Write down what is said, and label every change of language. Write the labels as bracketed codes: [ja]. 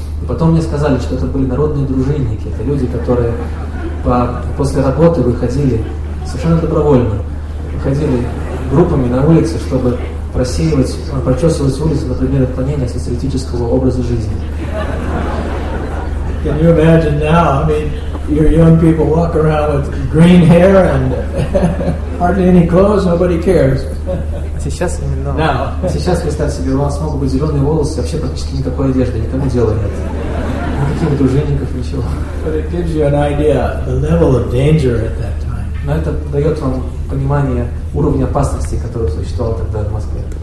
[ru] И потом мне сказали, что это были народные дружинники, это люди, которые после работы выходили, совершенно добровольно, выходили группами на улицы, чтобы прочесывать улицы на предмет отклонения социалистического образа жизни. [en] Can you imagine now? I mean, your young people walk around with green hair and hardly any clothes. Nobody cares. [ru] Сейчас именно. [en] Now. [ru] Сейчас представьте себе, у вас могут быть зеленые волосы, вообще практически никакой одежды, никому дела нет. Никаких дружинников, ничего. [en] But it gives you an idea the level of danger at that time. [ru] Но это дает вам понимание уровня опасности, который существовал тогда в Москве.